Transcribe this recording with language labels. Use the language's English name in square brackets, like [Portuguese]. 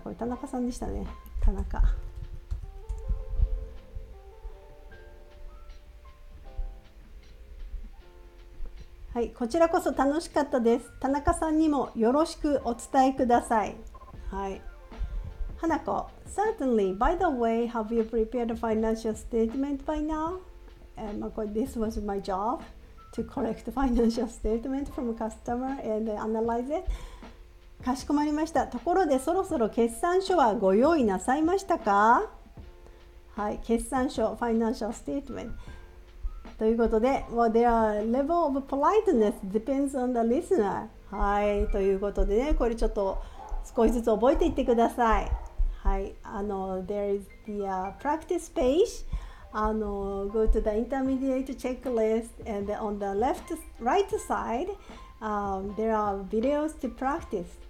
[Japanese] これ田中さんでしたね。田中。はい、こちらこそ楽しかったです。田中さんにもよろしくお伝えください。はい。 [English] 花子、Certainly, by the way, have you prepared a financial statement by now? This was my job to collect the financial statement from a customer and analyze it. [Japanese] かしこまりました。ところでそろそろ決算書はご用意なさいましたか? [English] はい、決算書、financial statement. [Japanese] ということで、 [English] well, their level of politeness depends on the listener. [Japanese] はい、ということでね、これちょっと少しずつ覚えていってください。 [English] はい、there is the practice page. Go to the intermediate checklist and on the left, right side, there are videos to practice.